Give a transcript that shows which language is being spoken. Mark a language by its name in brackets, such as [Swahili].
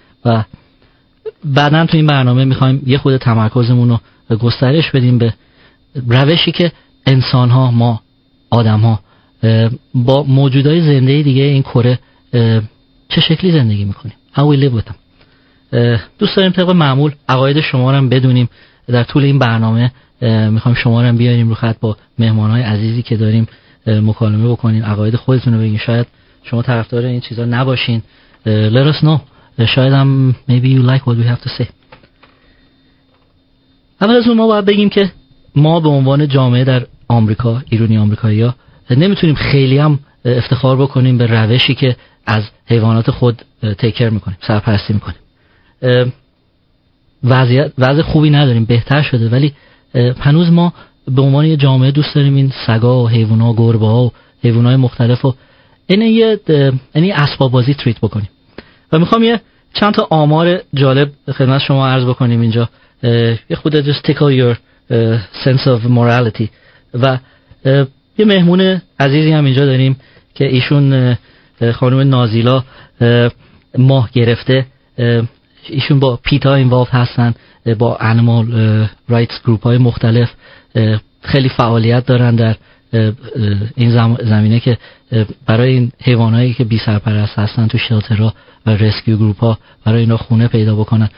[Persian] و بعدا تو این برنامه میخوایم یه خود تمرکزمون رو گسترش بدیم به روشی که انسان ها، ما آدم ها با موجودهای زنده دیگه این کره چه شکلی زندگی میکنیم. [English] How we live with them. [Persian] دوست داریم طبق معمول عقاید شما رو هم بدونیم. در طول این برنامه میخوایم شما رو هم بیاریم رو خط با مهمان های عزیزی که داریم مکالمه بکنیم، عقاید خودتون رو بگیم. شاید شما طرفدار این چیزا نباشین. [English] Let us know. [Persian] شاید هم [English] maybe you like what we have to say. [Persian] اول از اون ما باید بگیم که ما به عنوان جامعه در آمریکا، ایرانی آمریکایی ها، نمیتونیم خیلی هم افتخار بکنیم به روشی که از حیوانات خود تیکر میکنیم، سرپرستی میکنیم. وضع خوبی نداریم، بهتر شده، ولی هنوز ما به عنوان یه جامعه دوست داریم این سگا و حیوانا و گربه ها و حیوانای مختلف رو این اسباب بازی تریت بکنیم. و میخوام یه چند تا آمار جالب خدمت شما عرض بکنیم اینجا. یه خود [English] just tickle your sense of morality. [Persian] و یه مهمون عزیزی هم اینجا داریم که ایشون خانم نازیلا ماه گرفته، ایشون با پیتا اینوالف هستن، با انیمال رایتس گروپ های مختلف خیلی فعالیت دارن در این زمینه که برای این حیوانایی که بی سرپرست هستن تو شلترها و رسکیو گروپ ها برای اینا خونه پیدا بکنن.